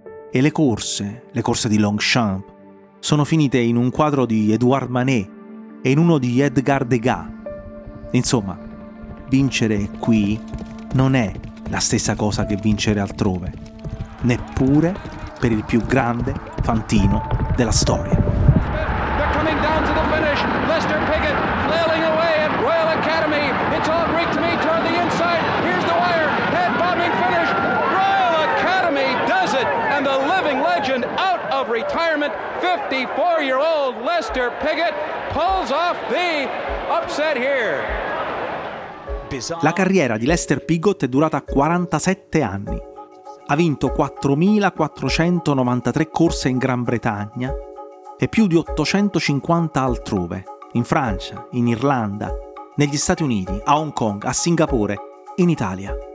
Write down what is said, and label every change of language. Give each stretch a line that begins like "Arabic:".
Italian: E le corse di Longchamp, sono finite in un quadro di Édouard Manet e in uno di Edgar Degas. Insomma, vincere qui non è la stessa cosa che vincere altrove. Neppure per il più grande fantino della storia.
English: They're coming down to the finish. Lester Piggott flailing away at Royal Academy. It's all Greek to me toward the inside. Here's the wire. Head bombing finish. Royal Academy does it. And the living legend out of retirement. 54-year-old Lester Piggott pulls off the upset here.
Italian: La carriera di Lester Piggott è durata 47 anni. Ha vinto 4.493 corse in Gran Bretagna, e più di 850 altrove, in Francia, in Irlanda, negli Stati Uniti, a Hong Kong, a Singapore, in Italia.